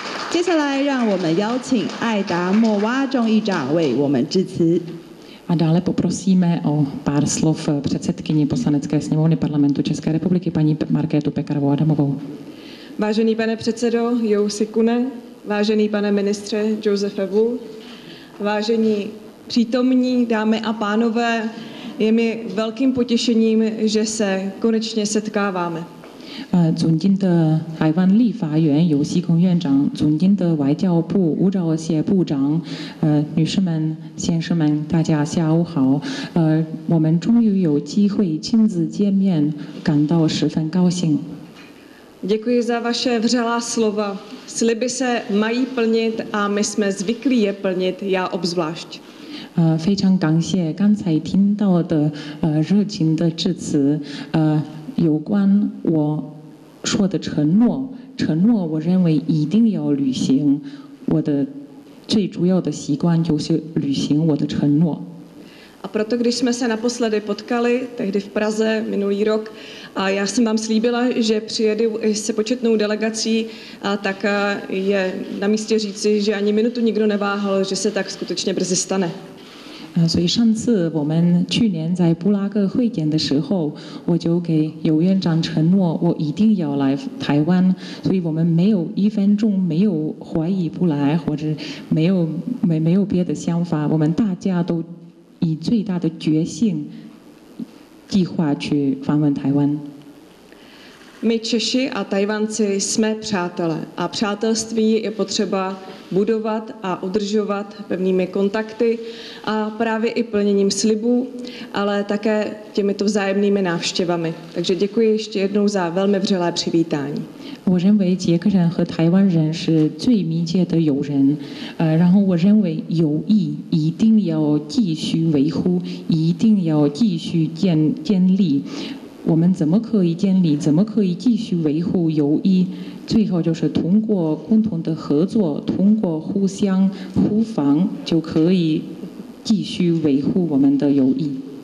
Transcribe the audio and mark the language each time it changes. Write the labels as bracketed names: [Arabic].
[Chinese] 接下来让我们邀请爱达莫娃众议长为我们致辞。 [Czech] A dále poprosíme o pár slov předsedkyni poslanecké sněmovny parlamentu České republiky, paní Markétu Pekarovou Adamovou. Vážený pane předsedo Jou Sikune, vážený pane ministře Josefe Wu, vážení přítomní dámy a pánové, je mi velkým potěšením, že se konečně setkáváme. [Chinese] 尊敬的台湾立法院游锡堃院长，尊敬的外交部吴钊燮部长，女士们、先生们，大家下午好。我们终于有机会亲自见面，感到十分高兴。 [Czech] Děkuji za vaše vřelá slova. Sliby se mají plnit a my jsme zvyklí je plnit, já obzvlášť. [Chinese] 非常感谢刚才听到的热情的致辞，有关我说的承诺我认为一定要履行，我的最主要的习惯就是履行我的承诺。 [Czech] A proto, když jsme se naposledy potkali, tehdy v Praze, minulý rok, a já jsem vám slíbila, že přijedu se početnou delegací, a tak je na místě říci, že ani minutu nikdo neváhal, že se tak skutečně brzy stane. [Chinese] 所以上次我们去年在布拉格会见的时候，我就给游院长承诺，我一定要来台湾，所以我们没有一分钟没有怀疑不来，或者没有别的想法，我们大家都以最大的决心计划去访问台湾。 [Czech] My Češi a Tajvanci jsme přátelé a přátelství je potřeba budovat a udržovat pevnými kontakty a právě i plněním slibů, ale také těmito vzájemnými návštěvami. Takže děkuji ještě jednou za velmi vřelé přivítání. [Chinese] 我认为捷克人和台湾人是最密切的友人，然后我认为友谊一定要继续维护，一定要继续建立。我们怎么可以建立，怎么可以继续维护友谊，最后就是通过共同的合作，通过互相互访，就可以继续维护我们的友谊。